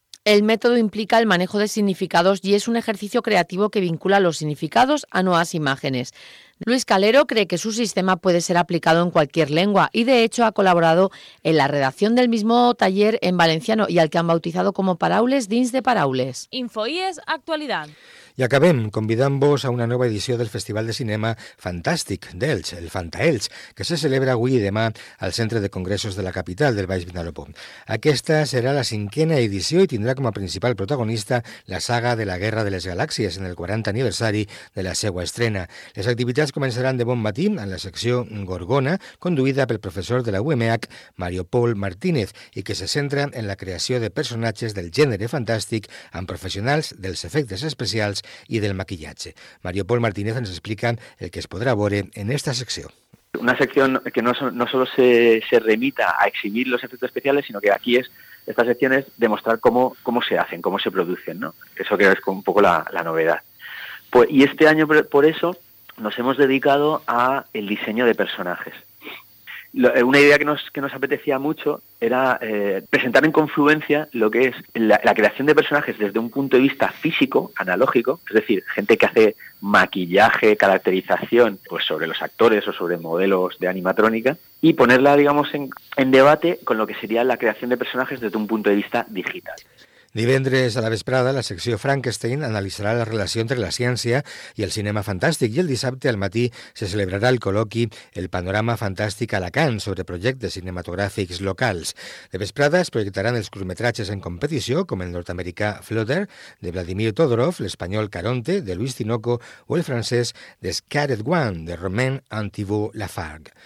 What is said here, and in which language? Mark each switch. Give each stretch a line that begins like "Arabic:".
Spanish: El método implica el manejo de significados y es un ejercicio creativo que vincula los significados a nuevas imágenes. Luis Calero cree que su sistema puede ser aplicado en cualquier lengua y, de hecho, ha colaborado en la redacción del mismo taller en valenciano y al que han bautizado como Paraules dins de Paraules. InfoIES Actualidad.
Catalan: I acabem convidant-vos a una nova edició del Festival de Cinema Fantàstic d'Elx, el FantaElx, que se celebra avui i demà al Centre de Congressos de la capital del Baix Vinalopó. Aquesta serà la 5ª edició i tindrà com a principal protagonista la saga de la Guerra de les Galàxies en el 40 aniversari de la seva estrena. Les activitats començaran de bon matí en la secció Gorgona, conduïda pel professor de la UMH, Mario Paul Martínez, i que se centra en la creació de personatges del gènere fantàstic amb professionals dels efectes especials i del maquillatge. Mario Paul Martínez ens explica el que es podrà veure en esta secció. Una secció que
Spanish: no solo se remita a exhibir los efectos especiales, sino que aquí es, esta sección es demostrar cómo se hacen, cómo se producen, ¿no? Eso creo que es un poco la novedad. Pues, y este año, por eso, nos hemos dedicado al diseño de personajes. Una idea que nos apetecía mucho era presentar en confluencia lo que es la creación de personajes desde un punto de vista físico, analógico, es decir, gente que hace maquillaje, caracterización, pues sobre los actores o sobre modelos de animatrónica, y ponerla, digamos, en debate con lo que sería la creación de personajes desde un punto de vista digital.
Catalan: Divendres a la vesprada, la secció Frankenstein analitzarà la relació entre la ciència i el cinema fantàstic, i el dissabte al matí se celebrarà el col·loqui El panorama fantàstic a Alacant sobre projectes cinematogràfics locals. De vesprada es projectaran els curtmetratges en competició, com el nord-americà Flutter, de Vladimir Todorov, l'espanyol Caronte, de Luis Tinoco, o el francès The Scared One, de Romain Antivaux-Lafargue.